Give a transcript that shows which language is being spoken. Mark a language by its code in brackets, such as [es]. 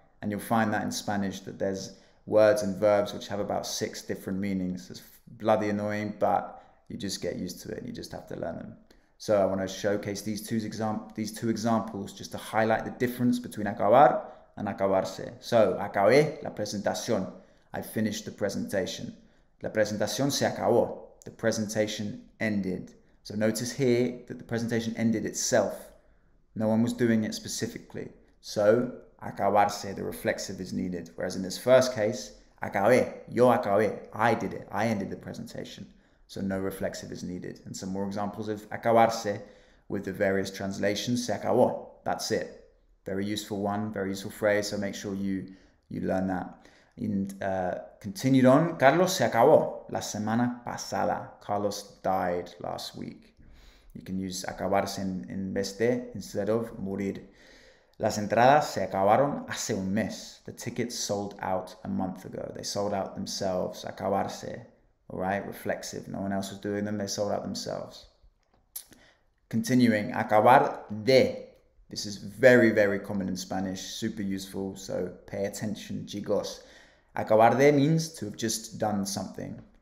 [en] And you'll find that in Spanish, that there's words and verbs which have about 6 different meanings. It's bloody annoying, but you just get used to it and you just have to learn them. So I want to showcase these two examples just to highlight the difference between acabar and acabarse. [es] So acabé la presentación. [en] I finished the presentation. [es] La presentación se acabó. [en] The presentation ended. So notice here that the presentation ended itself. No one was doing it specifically. So acabarse, the reflexive is needed. Whereas in this first case, acabé, yo acabé, I did it, I ended the presentation. So no reflexive is needed. And some more examples of acabarse with the various translations, [es] se acabó, [en] that's it. Very useful one, very useful phrase, so make sure you learn that. And continued on, [es] Carlos se acabó la semana pasada. [en] Carlos died last week. You can use acabarse instead of morir. [es] Las entradas se acabaron hace un mes. [en] The tickets sold out a month ago. They sold out themselves. Acabarse. All right, reflexive. No one else was doing them. They sold out themselves. Continuing. Acabar de. This is very, very common in Spanish. Super useful. So pay attention, chicos. Acabar de means to have just done something.